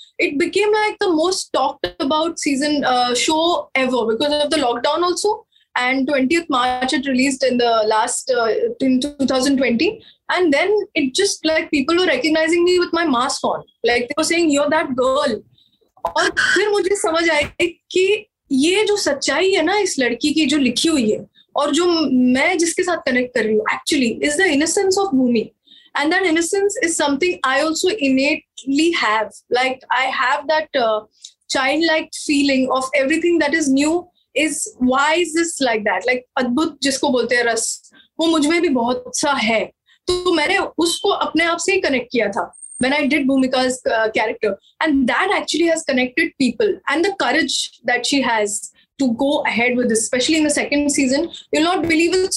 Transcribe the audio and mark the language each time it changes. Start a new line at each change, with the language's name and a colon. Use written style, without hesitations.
English: It became like the most talked about season show ever because of the lockdown also. And 20th March it released in the last in 2020, and then it just like people were recognizing me with my mask on, like they were saying you're that girl.
Hindi: और फिर मुझे समझ आया कि ये जो सच्चाई है ना इस लड़की की जो लिखी हुई है और जो मैं जिसके साथ कनेक्ट कर रही हूँ
English: Actually is the innocence of Bhumi. And that innocence is something I also innately have. Like I have that childlike feeling of everything that is new. Is why is this like that? Like
Hindi: adbhut, jisko bolte hai ras, वो मुझमें भी बहुत सा है, तो मैंने उसको अपने आप से ही कनेक्ट किया था
English: when I did Bhumika's character, and that actually has connected people, and the courage that she has to go ahead with this, especially in the second season, you'll not believe it.